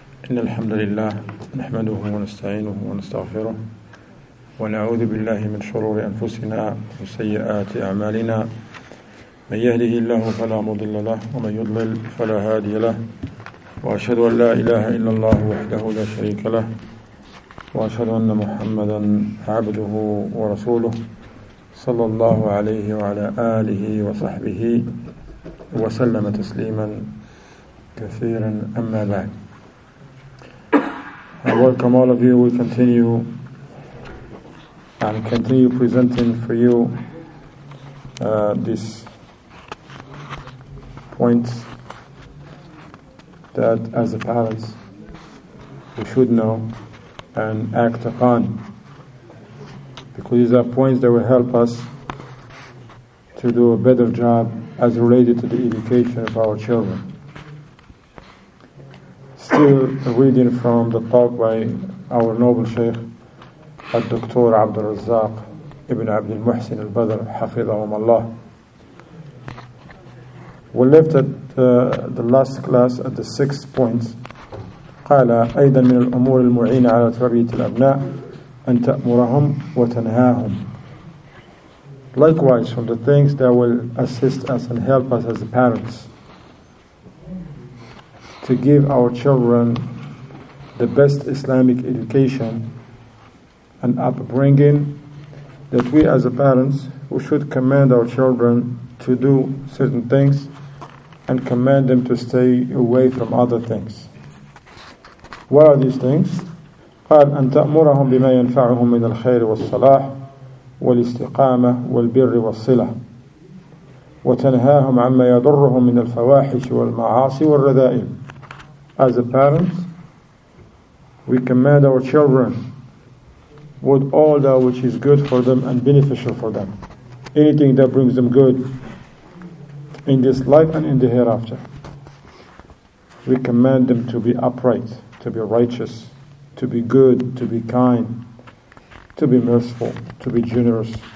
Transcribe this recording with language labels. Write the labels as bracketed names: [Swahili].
[Arabic] إن الحمد لله نحمده ونستعينه ونستغفره ونعوذ بالله من شرور أنفسنا وسيئات أعمالنا، من يهده الله فلا مضل له ومن يضلل فلا هادي له، وأشهد أن لا إله إلا الله وحده لا شريك له، وأشهد أن محمدا عبده ورسوله صلى الله عليه وعلى آله وصحبه وسلم تسليما كثيرا. أما بعد، [English] I welcome all of you. We continue and continue presenting for you this point that as a parent we should know and act upon, because these are points that will help us to do a better job as related to the education of our children. Still reading from the talk by our noble Shaykh, Dr. Abdul Razzaq ibn Abdul Muhsin al-Badr, hafidhahum Allah. We left at the last class at the sixth point. [Arabic] قال أيضا من الأمور المعينة على تربية الأبناء أن تأمرهم وتنهاهم. [English] Likewise, from the things that will assist us and help us as parents to give our children the best Islamic education and upbringing, that we as a parents, we should command our children to do certain things and command them to stay away from other things. What are these things? [Arabic] قال أن تأمرهم بما ينفعهم من الخير والصلاح والاستقامة والبر والصلة وتنهاهم عما يضرهم من الفواحش والمعاصي والرذائل. [English] As a parent, we command our children with all that which is good for them and beneficial for them, anything that brings them good in this life and in the hereafter. We command them to be upright, to be righteous, to be good, to be kind, to be merciful, to be generous.